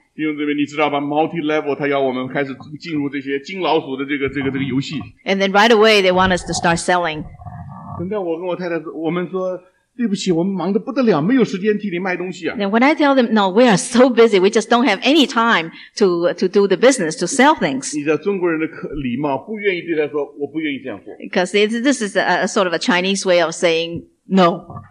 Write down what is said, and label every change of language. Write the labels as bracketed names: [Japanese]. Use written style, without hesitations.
[Chinese] 弟兄姊妹,你知道吧, multi-level, 他要我们开始进入这些金老鼠的这个游戏。 [English] And then right away, they want us to start selling. [Chinese] 等到我跟我太太,我们说, 对不起,我们忙得不得了,没有时间替你卖东西啊。 [English] And when I tell them, no, we are so busy, we just don't have any time to do the business, to sell things. [Chinese] 你知道中国人的礼貌,不愿意对他说,我不愿意这样做。 [English] Because this is a sort of a Chinese way of saying no.